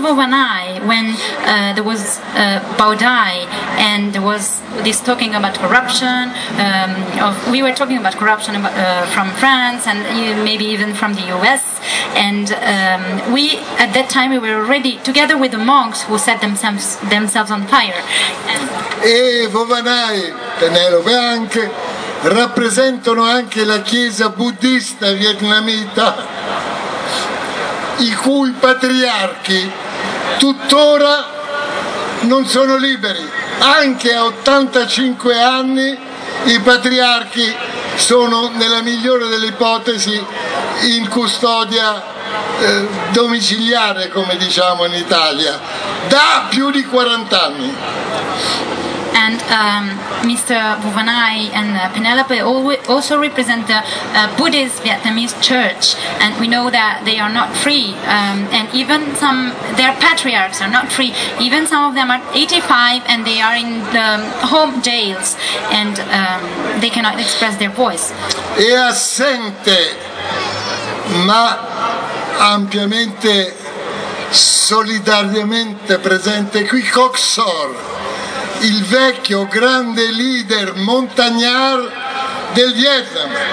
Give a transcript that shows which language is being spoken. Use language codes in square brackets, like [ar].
[en] Fubanai, when there was Bao Dai and there was this talking about corruption, we were talking about corruption from France and maybe even from the US. And we, at that time, we were already together with the monks who set themselves on fire. [it] E Fubanai, Penelope anche, rappresentano anche la chiesa buddista vietnamita, i cui patriarchi tuttora non sono liberi. Anche a 85 anni i patriarchi sono, nella migliore delle ipotesi, in custodia domiciliare, come diciamo in Italia, da più di 40 anni. [en] And Mr. Fubanai and Penelope also represent the Buddhist Vietnamese church, and we know that they are not free, and even some their patriarchs are not free. Even some of them are 85 and they are in the home jails, and they cannot express their voice. [it] È assente, ma ampiamente, solidariamente presente qui Coc Sor, il vecchio grande leader montagnard del Vietnam,